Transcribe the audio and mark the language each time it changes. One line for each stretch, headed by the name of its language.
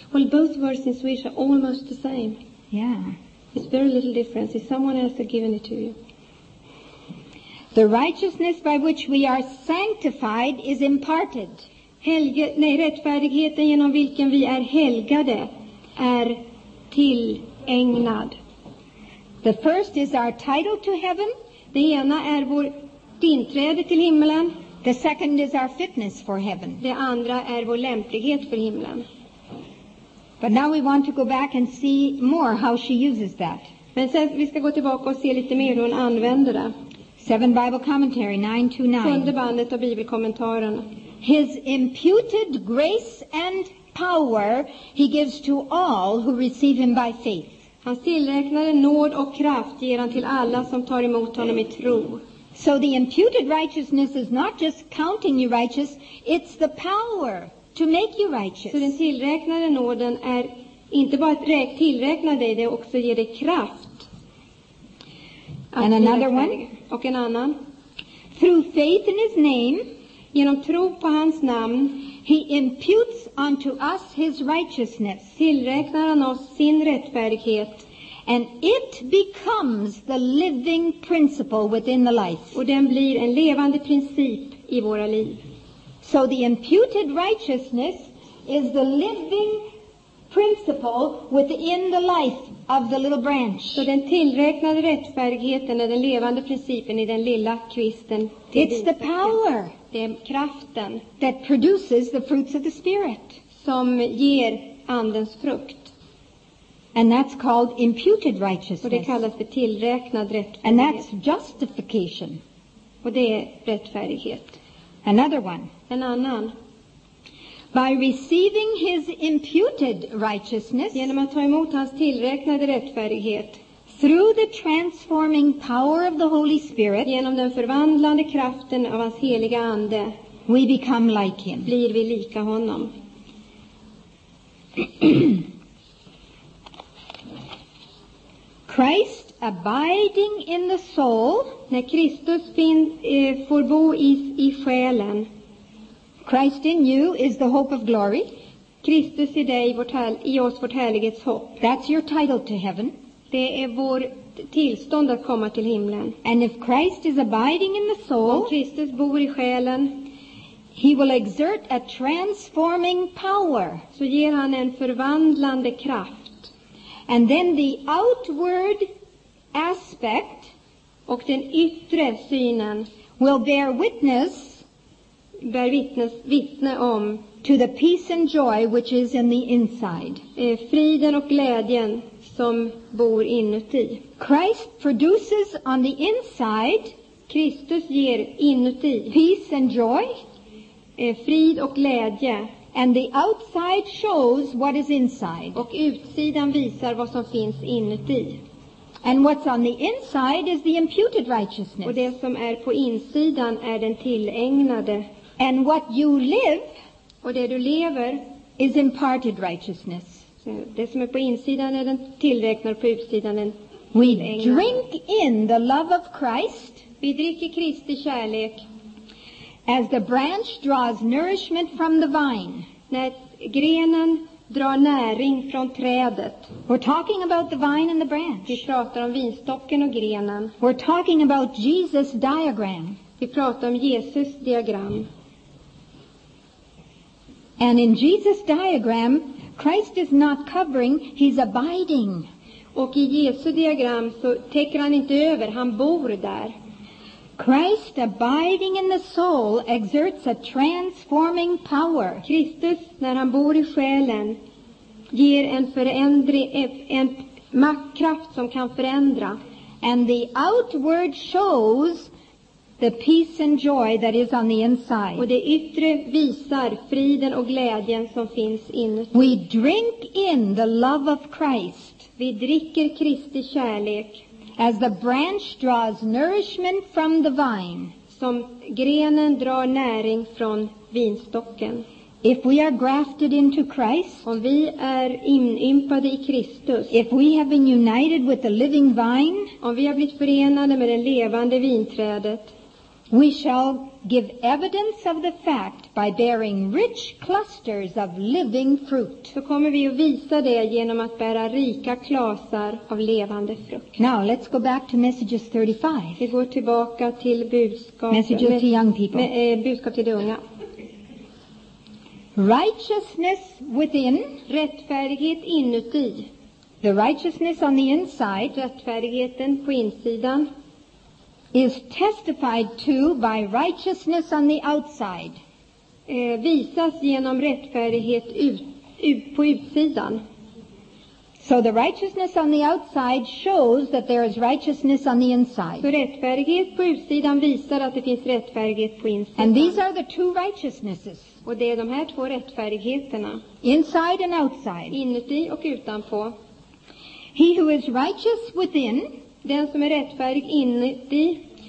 English: Well, both words in Swedish are almost the same. Yeah. It's very little difference if someone else had given it to you. The righteousness by which we are sanctified is imparted.
Swedish: Rättfärdigheten genom vilken vi är helgade är tillägnad.
English: The first is our title to heaven.
Swedish: Det ena är vår inträde till himlen.
English: The second is our fitness for heaven.
Swedish: Det andra är vår lämplighet för himlen.
English: But now we want to go back and see more how she uses that.
Swedish: Men sen vi ska gå tillbaka och se lite mer hur hon använder det.
English: 7 Bible Commentary 9-9.
Swedish: Sjunde bandet av bibelkommentaren.
English: His imputed grace and power he gives to all who receive him by faith.
Swedish: Hans tillräknade nåd och kraft ger han till alla som tar emot honom i tro.
English: So the imputed righteousness is not just counting you righteous, it's the power to make you righteous.
Swedish: Så den tillräknade nåden är inte bara att tillräkna dig, det också ger dig kraft.
English: And another one.
Swedish: Och en annan.
English: Through faith in his name,
Swedish: genom tro på hans namn,
English: he imputes unto us his righteousness.
Swedish: Tillräknar han oss sin rättfärdighet.
English: And it becomes the living principle within the life.
Swedish: Och den blir en levande princip i våra liv.
English: So the imputed righteousness is the living principle within the life of the little branch.
Swedish: Så den tillräknade rättfärdigheten är den levande principen i den lilla kvisten.
English: It's the power.
Swedish: Det är kraften.
English: That produces the fruits of the spirit.
Swedish: Som ger andens frukt.
English: And that's called imputed righteousness.
Swedish: Och det kallas för tillräknad rättfärdighet.
English: And that's justification.
Swedish: Och det är rättfärdighet.
English: Another one.
Swedish: En annan.
English: By receiving his imputed righteousness.
Swedish: Genom att ta emot hans tillräknade rättfärdighet.
English: Through the transforming power of the Holy Spirit.
Swedish: Genom den förvandlande kraften av hans heliga ande.
English: We become like him.
Swedish: Blir vi lika honom.
English: Christ abiding in the soul,
Swedish: när Kristus finns får bo i själen.
English: Christ in you is the hope of glory.
Swedish: Kristus i dig i oss vårt härlighetshopp.
English: That's your title to heaven.
Swedish: Det är vår tillstånd att komma till himlen.
English: And if Christ is abiding in the soul,
Swedish: om Kristus bor i själen,
English: he will exert a transforming power.
Swedish: Så ger han en förvandlande kraft.
English: And then the outward aspect,
Swedish: och den yttre synen,
English: will bear witness,
Swedish: bär vittne om,
English: to the peace and joy which is in the inside.
Swedish: Friden och glädjen som bor inuti.
English: Christ produces on the inside,
Swedish: Kristus ger inuti,
English: peace and joy,
Swedish: frid och glädje.
English: And the outside shows what is inside.
Swedish: Och utsidan visar vad som finns inuti.
English: And what's on the inside is the imputed righteousness.
Swedish: Och det som är på insidan är den tillägnade.
English: And what you live,
Swedish: och det du lever,
English: is imparted righteousness.
Swedish: Det som är på insidan är den tillräknade, på utsidan den tillägnade.
English: We drink in the love of Christ.
Swedish: Vi dricker Kristi kärlek.
English: As the branch draws nourishment from the vine.
Swedish: När grenen drar näring från trädet.
English: We're talking about the vine and the branch.
Swedish: Vi pratar om vinstocken och grenen.
English: We're talking about Jesus' diagram.
Swedish: Vi pratar om Jesus diagram.
English: And in Jesus' diagram, Christ is not covering, he's abiding.
Swedish: Och i Jesu diagram så täcker han inte över, han bor där.
English: Christ abiding in the soul exerts a transforming power.
Swedish: Kristus, när han bor i själen, ger en förändring, en maktkraft som kan förändra.
English: And the outward shows the peace and joy that is on the inside.
Swedish: Och det yttre visar friden och glädjen som finns inuti.
English: We drink in the love of Christ.
Swedish: Vi dricker Kristi kärlek.
English: As the branch draws nourishment from the vine.
Swedish: Som grenen drar näring från vinstocken.
English: If we are grafted into Christ,
Swedish: om vi är inympade i Kristus,
English: if we have been united with the living vine,
Swedish: om vi har blivit förenade med det levande vinträdet,
English: we shall give evidence of the fact by bearing rich clusters of living fruit.
Swedish: Så kommer vi att visa det genom att bära rika klasar av levande frukt.
English: Now let's go back to messages 35.
Swedish: Vi går tillbaka till budskapet.
English: Messages to young people.
Swedish: Budskap till de unga.
English: Righteousness within,
Swedish: rättfärdighet inuti.
English: The righteousness on the inside,
Swedish: rättfärdigheten på insidan,
English: is testified to by righteousness on the outside.
Swedish: Visas genom rättfärdighet på utsidan.
English: So the righteousness on the outside shows that there is righteousness on the inside.
Swedish: Så rättfärdighet på utsidan visar att det finns rättfärdighet på insidan.
English: And these are the two righteousnesses.
Swedish: Och det är de här två rättfärdigheterna.
English: Inside and outside.
Swedish: Inuti och utanpå.
English: He who is righteous within,
Swedish: den som är rättfärdig inuti,